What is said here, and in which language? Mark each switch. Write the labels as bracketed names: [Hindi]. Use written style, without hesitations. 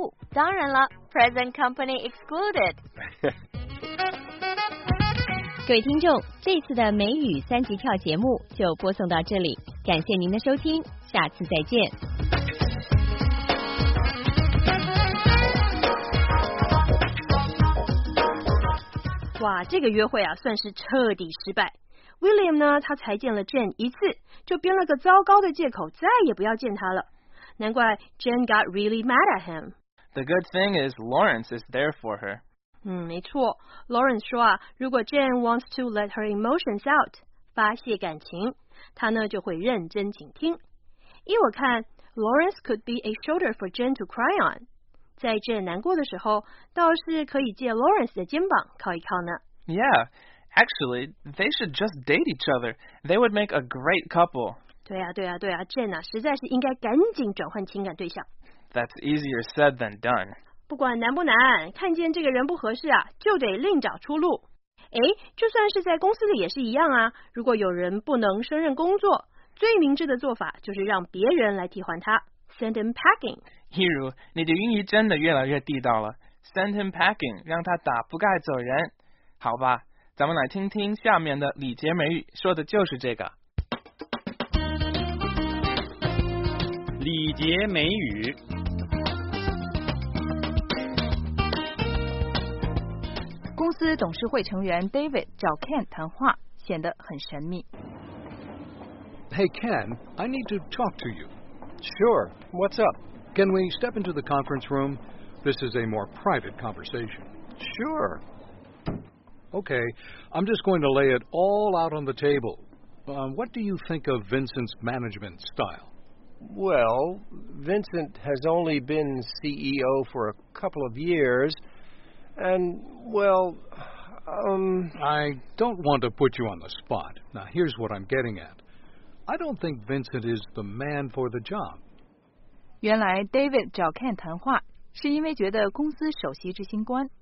[Chinese] 当然了 ， [English] present company excluded。 [Chinese] 各位听众，这次的美语三级跳节目就播送到这里，感谢您的收听，下次再见。哇，这个约会啊，算是彻底失败。William 呢，他才见了 Jen 一次，就编了个糟糕的借口，再也不要见他了。难怪 [English] Jen got really mad at him. The good thing is Lawrence is there for her. [Chinese] 没错。 Lawrence 说啊，如果 Jen [English] wants to let her emotions out, [Chinese] 发泄感情，他呢就会认真倾听。依我看 [English] ，Lawrence could be a shoulder for Jen to cry on. [Chinese] 在 Jen 难过的时候，倒是可以借 Lawrence 的肩膀靠一靠呢。 [English] Yeah. Actually, they should just date each other. They would make a great couple. [Chinese] 对啊对啊对啊 ,Jen 啊实在是应该赶紧转换情感对象。 [English] That's easier said than done. [Chinese] 不管难不难看见这个人不合适啊就得另找出路。诶就算是在公司里也是一样啊如果有人不能胜任工作最明智的做法就是让别人来替换他 , [English] send him packing. [Chinese] 譬如你的英语真的越来越地道了 , [English] send him packing, [Chinese] 让他打不盖走人。好吧。咱们来听听下面的礼节美语，说的就是这个。礼节美语。公司董事会成员 David 找 Ken 谈话，显得很神秘。 [English] Hey Ken, I need to talk to you. Sure, what's up? Can we step into the conference room? This is a more private conversation. Sure. Okay, I'm just going to lay it all out on the table. What do you think of Vincent's management style? Well, Vincent has only been CEO for a couple of years, and, well, I don't want to put you on the spot. Now, here's what I'm getting at. I don't think Vincent is the man for the job. [Chinese] 原来 David 找 Ken 谈话是因为觉得公司首席执行官